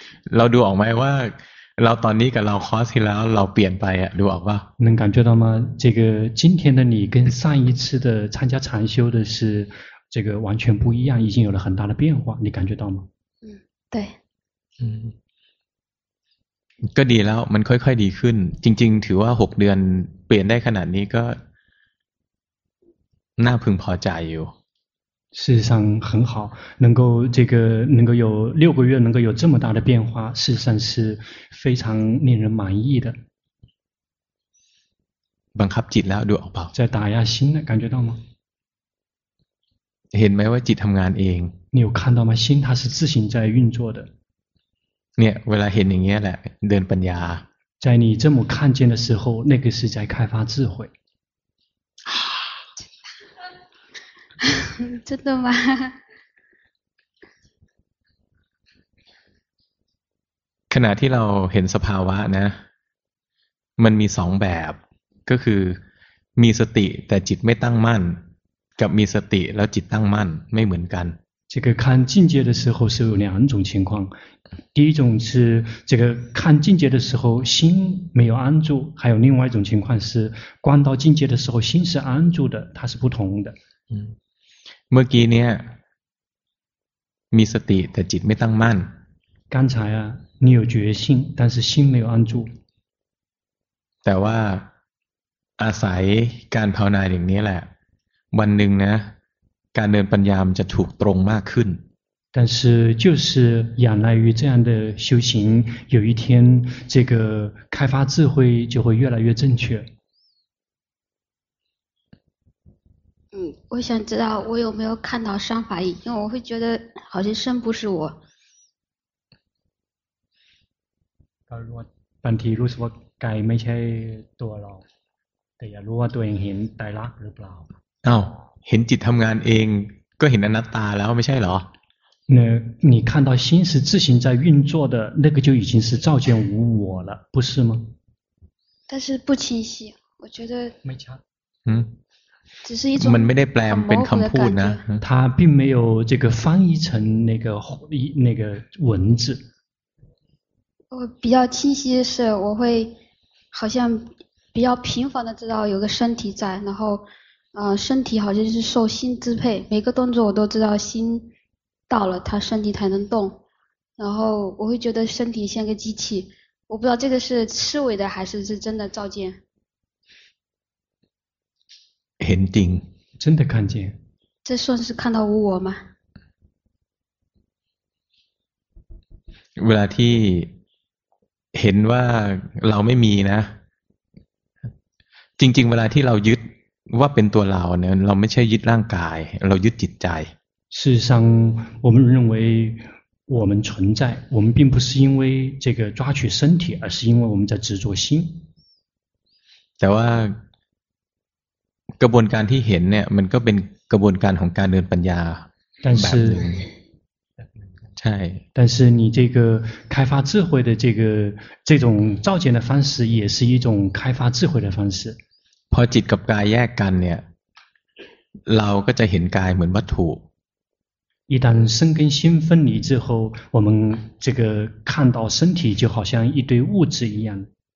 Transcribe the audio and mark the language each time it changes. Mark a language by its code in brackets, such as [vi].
[th] เราดูออกไหมว่าเราตอนนี้กับเราคอร์สที่แล้วเราเปลี่ยนไปอ่ะดูออกป่ะ [zh] 能感觉到吗这个今天的你跟上一次的参加禅修的是这个完全不一样已经有了很大的变化你感觉到吗对 [th] ก็ดีแล้วมันค่อยๆดีขึ้นจริงๆถือว่า6เดือนเปลี่ยนได้ขนาดนี้ก็น่าพึงพอใจอยู่ [zh] 事实上很好能够这个能够有六个月能够有这么大的变化事实上是非常令人满意的 [th] บังคับจิตแล้วดูออกเปล่า [zh] 在打压心了感觉到吗 [th] เห็นไหมว่าจิตทำงานเอง [zh] 你有看到吗心它是自行在运作的 [th] เนี่ยเวลาเห็นอย่างเงี้ยแหละเดินปัญญา [zh] 在你这么看见的时候那个是在开发智慧真的吗 [th] ขณะที่เราเห็นสภาวะนะมันมีสองแบบก็คือมีสติแต่จิตไม่ตั้งมั่นกับมีสติแล้วจิตตั้งมั่นไม่เหมือนกัน [zh] 这个看境界的时候是有两种情况第一种是这个看境界的时候心没有安住还有另外一种情况是观到境界的时候心是安住的它是不同的 [th] เมื่อกี้เนี่ยมีสติแต่จิตไม่ตั้งมั่น [zh] 刚才啊，你有决心，但是心没有安住。 [th] แต่ว่าอาศัยการภาวนาอย่างนี้แหละวันหนึ่งนะการเดินปัญญามันจะถูกตรงมากขึ้น [zh] 但是就是仰赖于这样的修行，有一天这个开发智慧就会越来越正确。我想知道我有没有看到上法意，因为我会觉得好像身不是我。 [th] บางทีรู้สึกว่ากายไม่ใช่ตัวเราแต่อย่ารู้ว่าตัวเองเห็นไตรลักษณ์หรือเปล่า อ้าวเห็นจิตทำงานเองก็เห็นอนัตตาแล้วไม่ใช่เหรอ [zh] 那你看到心是自行在运作的那个就已经是照见无我了不是吗但是不清晰我觉得 [th] ไม่ชัด มันไม่ได้แปลเป็นคำพูดนะ [zh] 他并没有这个翻译成那个那个文字我比较清晰的是我会好像比较频繁的知道有个身体在然后身体好像是受心支配每个动作我都知道心到了他身体才能动然后我会觉得身体像个机器我不知道这个是思维的还是是真的照见肯定真的看见这算是看到无我吗 [th] เวลาที่เห็นว่าเราไม่มีนะจริงๆเวลาที่เรายึดว่าเป็นตัวเราเนี่ยเราไม่ใช่ยึดร่างกายเรายึดจิตใจ [zh] 事实上我们认为我们存在我们并不是因为这个抓取身体而是因为我们在执着心 [th] แต่ว่ากระบวนการที่เห็นเนี่ยมันก็เป็นกระบวนการของการเดินปัญญาแบบนึงใช่ [zh] 但是你这个开发智慧的这种照见的方式也是一种开发智慧的方式 [th] พอจิตกับกายแยกกันเนี่ยเราก็จะเห็นกายเหมือนวัตถุ [zh] 一旦身跟心分离之后我们这个看到身体就好像一堆物质一样